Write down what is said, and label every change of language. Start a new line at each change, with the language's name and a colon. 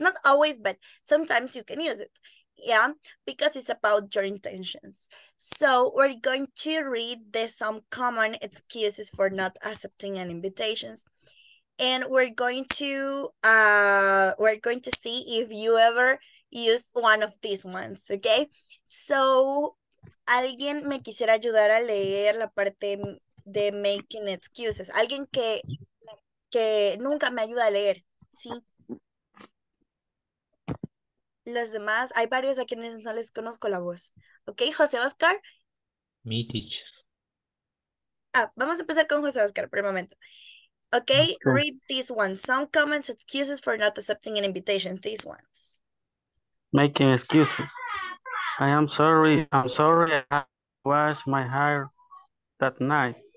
English: Not always, but sometimes you can use it. Yeah, because it's about your intentions. So we're going to read the some common excuses for not accepting an invitations, and we're going to see if you ever use one of these ones.
Spanish: Okay, so alguien me quisiera ayudar a leer la parte de making excuses. Alguien que nunca me ayuda a leer, sí. Los demás, hay varios a quienes no les conozco la voz.
English: Ok, José Oscar. Me teacher.
Spanish: Ah, vamos a empezar con José Oscar por el momento.
English: Okay, ok, read this one. Some comments, excuses for not accepting an invitation. These ones. Making excuses. I am sorry. I'm sorry I washed my hair that night.